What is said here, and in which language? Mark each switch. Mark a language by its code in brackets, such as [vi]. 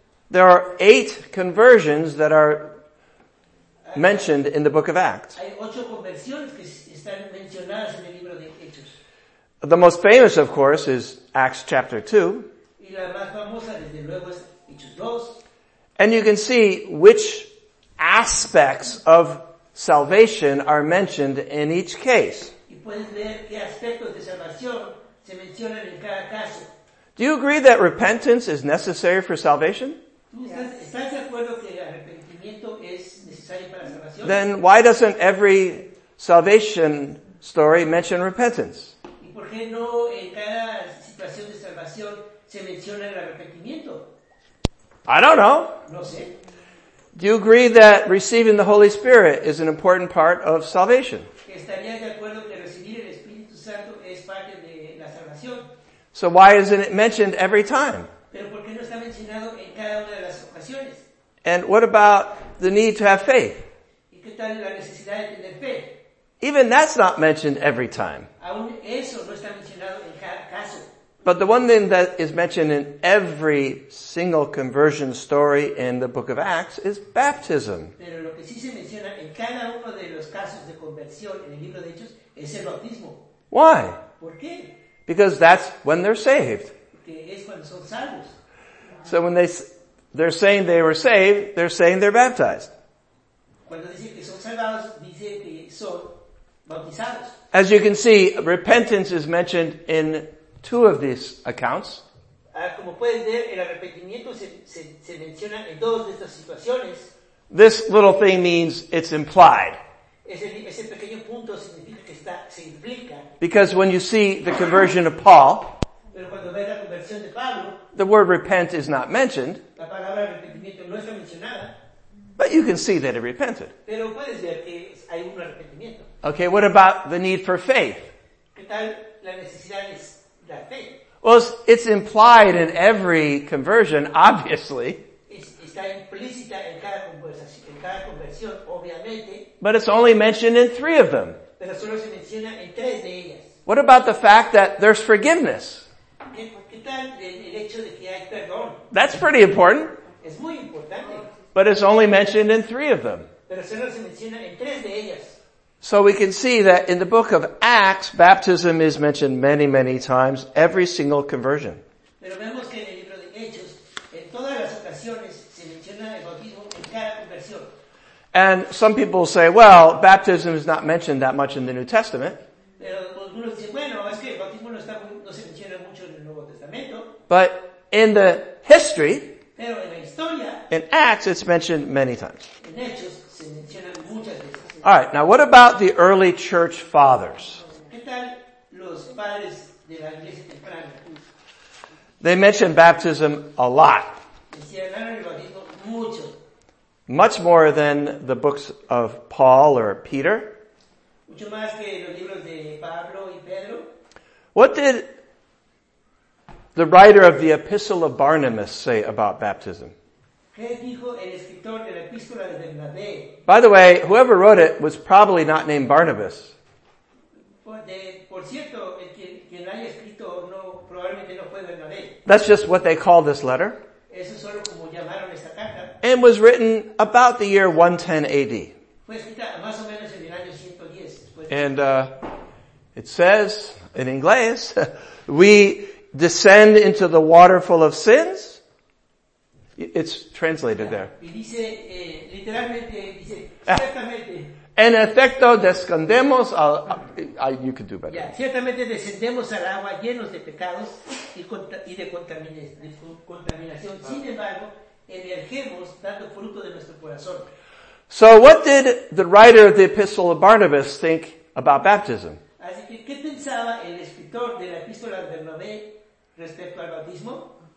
[en] There are 8 conversions that are mentioned in the book of Acts. [es] Hay 8 conversiones que están mencionadas en el libro de Hechos. [en] The most famous, of course, is Acts chapter 2. [es] Y la más famosa, desde luego, es Hechos 2. [en] And you can see which aspects of salvation are mentioned in each case. [es] Y puedes ver qué aspectos de salvación se mencionan en cada caso. [en] Do you agree that repentance is necessary for salvation? [es] ¿Estás de acuerdo que el arrepentimiento es necesario para la salvación? [en] Then why doesn't every salvation story mention repentance? [es] ¿Y por qué no en cada situación de salvación se menciona el arrepentimiento? [en] I don't know. [es] No sé. [en] Do you agree that receiving the Holy Spirit is an important part of salvation? [es] ¿Estarías de acuerdo que recibir el Espíritu Santo es parte de la salvación? [en] So why isn't it mentioned every time? [es] ¿Pero por qué no está mencionado en cada una de las ocasiones? [en] And what about the need to have faith? [es] ¿Y qué tal la necesidad de tener fe? [en] Even that's not mentioned every time. [es] Aún eso no está mencionado en cada caso. [en] But the one thing that is mentioned in every single conversion story in the book of Acts is baptism. [es] Pero lo que sí se menciona en cada uno de los casos de conversión en el libro de Hechos es el bautismo. [en] Why? [es] ¿Por qué? [en] Because that's when they're saved. [es] Es cuando son salvos. [en] So when they're saying they were saved, they're saying they're baptized. [es] Cuando dice que son salvados, dice que son bautizados. [en] As you can see, repentance is mentioned in 2 of these accounts. [es] Como puedes ver, el arrepentimiento se menciona en todas estas situaciones. [en] This little thing means it's implied. [es] Ese pequeño punto significa que está, se implica. [en] Because when you see the conversion of Paul, [es] pero cuando ves la conversión de Pablo, [en] the word repent is not mentioned. [es] La palabra arrepentimiento no está mencionada. [en] But you can see that he repented. [es] Pero puedes ver que hay un arrepentimiento. [en] Okay, what about the need for faith? [es] ¿Qué tal la necesidad es? [en] Well, it's implied in every conversion, obviously. [es] Está implícita en cada conversión, obviamente. [en] But it's only mentioned in 3 of them. [es] Pero solo se menciona en 3 de ellas. [en] What about the fact that there's forgiveness? [es] ¿Qué tal el hecho de que hay perdón? [en] That's pretty important. [es] Es muy importante. [en] But it's only mentioned in 3 of them. [es] Pero solo se menciona en 3 de ellas. [en] So we can see that in the book of Acts, baptism is mentioned many, many times, every single conversion. [es] Pero vemos que en el libro de Hechos, en todas las ocasiones, se menciona el bautismo en cada conversión. [en] And some people say, well, baptism is not mentioned that much in the New Testament. [es] Pero algunos dicen, bueno, es que el bautismo no se menciona mucho en el Nuevo Testamento. [en] But in the history, [es] pero en la historia, [en] in Acts, it's mentioned many times. [es] En Hechos, se menciona muchas veces. [en] All right, now what about the early church fathers? [es] ¿Qué tal los padres de la iglesia temprana? [en] They mention baptism a lot. [es] Mencionaron el bautismo mucho. [en] Much more than the books of Paul or Peter. [es] Mucho más que los libros de Pablo y Pedro. [en] What did the writer of the Epistle of Barnabas say about baptism? [es] ¿Qué dijo el escritor de la epístola de Bernabé? [en] By the way, whoever wrote it was probably not named Barnabas. [es] Por cierto, el quien haya escrito no, probablemente no fue Bernabé. [en] That's just what they call this letter. [es] Eso solo como llamaron esta carta. [en] And was written about the year 110 AD. [es] Fue escrita más o menos en el año 110. [en] And it says in English, we descend into the water full of sins. It's translated there. [es] Dice, literalmente, dice, ciertamente. En efecto, descendemos al... [en] you could do better. Yeah. [es] Ciertamente descendemos al agua llenos de pecados y de contaminación. Sin embargo, emergemos dando fruto de nuestro corazón. [en] So what did the writer of the Epistle of Barnabas think about baptism? [es] Así que, ¿qué pensaba el escritor de la Epístola de Bernabé respecto al bautismo?